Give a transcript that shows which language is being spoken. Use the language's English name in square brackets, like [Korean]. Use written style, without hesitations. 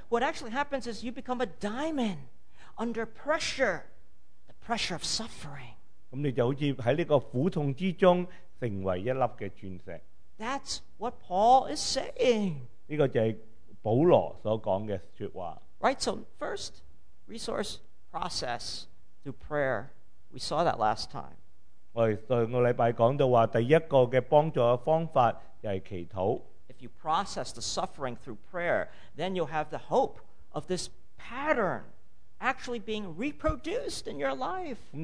[English] What actually happens is you become a diamond under pressure, the pressure of suffering. [Chinese] 那你就好像在这个苦痛之中成为一粒的钻石。 [English] That's what Paul is saying. [Chinese] 这个就是保罗所讲的说话。 [English] Right, so first, resource process through prayer. We saw that last time. [Chinese] 我们上个礼拜讲到说，第一个的帮助的方法就是祈祷。 [English] If you process the suffering through prayer, then you'll have the hope of this pattern actually being reproduced in your life.